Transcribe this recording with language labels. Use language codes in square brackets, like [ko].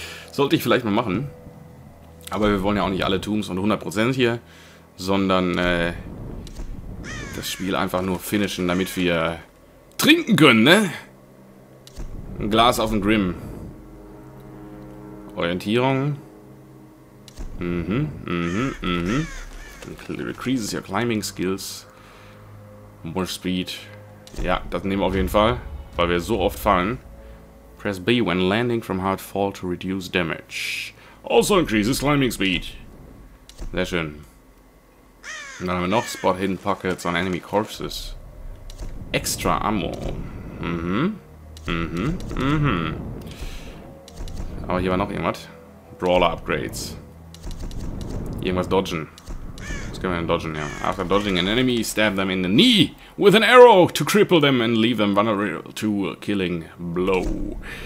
[de] Sollte ich vielleicht mal machen. Aber wir wollen ja auch nicht alle Tombs und 100% hier, sondern das Spiel einfach nur finishen, damit wir trinken können, ne? Ein Glas auf den Grimm. Orientierung. [en] Increases your climbing skills. More speed. [de] Ja, das nehmen wir auf jeden Fall, weil wir so oft fallen. [en] Press B when landing from hard fall to reduce damage. Also increases climbing speed. [de] Sehr schön. Und dann haben wir noch [en] Spot Hidden Pockets on enemy corpses. Extra Ammo. [de] Aber hier war noch irgendwas. Brawler Upgrades. Irgendwas dodgen. Was können wir denn dodgen, ja. [en] After dodging an enemy, stab them in the knee with an arrow to cripple them and leave them vulnerable to a killing blow.